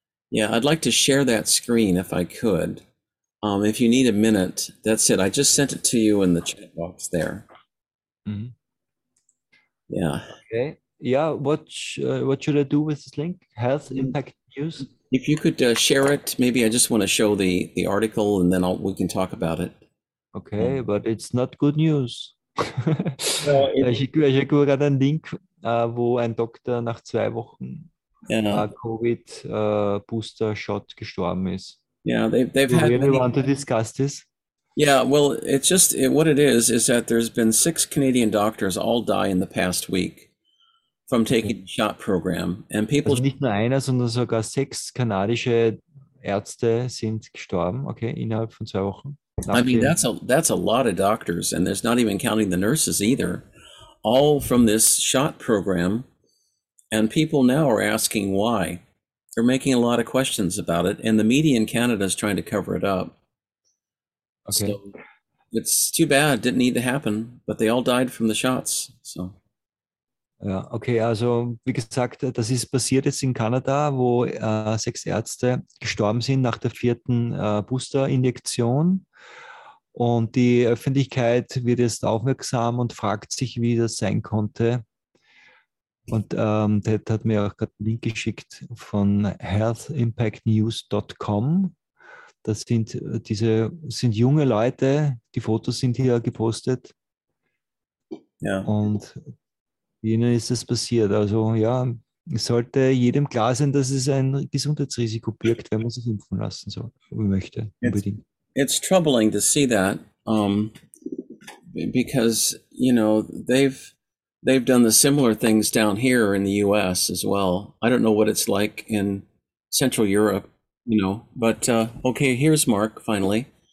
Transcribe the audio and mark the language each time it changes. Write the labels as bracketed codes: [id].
[en] Yeah, I'd like to share that screen if I could. If you need a minute, that's it. I just sent it to you in the chat box there. Mm-hmm. Yeah. Okay. Yeah. What should I do with this link? Health impact news? If you could share it, maybe I just want to show the article and then we can talk about it. Okay, but it's not good news. [de] Ich habe gerade einen Link, wo ein Doktor nach 2 Wochen Covid-Booster Shot gestorben ist. [en] Yeah, they've Do had. Do you really want to discuss this? Yeah, well, it's just what it is that there's been 6 Canadian doctors all die in the past week. From taking the shot program and people. [de] Also nicht nur einer, sondern sogar 6 kanadische Ärzte sind gestorben. Okay, innerhalb von 2 Wochen. [en] I mean, that's a lot of doctors, and there's not even counting the nurses either, all from this shot program, and people now are asking why. They're making a lot of questions about it, and the media in Canada is trying to cover it up. Okay. So it's too bad. Didn't need to happen, but they all died from the shots. So. [de] Ja, okay, also wie gesagt, das ist passiert jetzt in Kanada, wo 6 Ärzte gestorben sind nach der 4. Booster-Injektion. Und die Öffentlichkeit wird jetzt aufmerksam und fragt sich, wie das sein konnte. Und Ted hat mir auch gerade einen Link geschickt von healthimpactnews.com. Das sind sind junge Leute, die Fotos sind hier gepostet. Ja. Und Ihnen ist es passiert. Also ja, es sollte jedem klar sein, dass es ein Gesundheitsrisiko birgt, wenn man sich impfen lassen soll, wie möchte, unbedingt. [en] It's troubling to see that, because, you know, they've done the similar things down here in the US as well. I don't know what it's like in Central Europe, you know, but okay, here's Mark, finally.